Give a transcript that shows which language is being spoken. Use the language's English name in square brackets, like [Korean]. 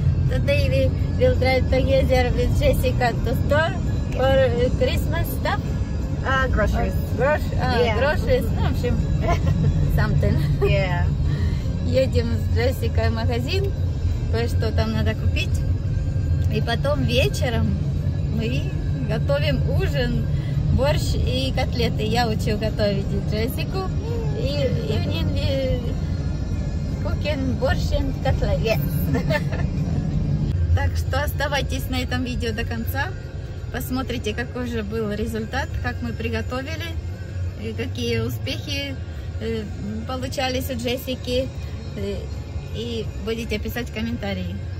[English] Today we will drive together with Jessica to store for Christmas stuff. Groceries. [Russian] Ну, в общем, something. [English] Yeah. [Russian] Едем с Джессикой в магазин, кое-что там надо купить. И потом вечером мы готовим ужин, борщ и котлеты. Я учу готовить Джессику. [English] И evening we cooking борщ and котлеты. Yeah. [Russian] Так что оставайтесь на этом видео до конца. Посмотрите, какой же был результат, как мы приготовили, какие успехи получались у Джессики. И будете писать комментарии.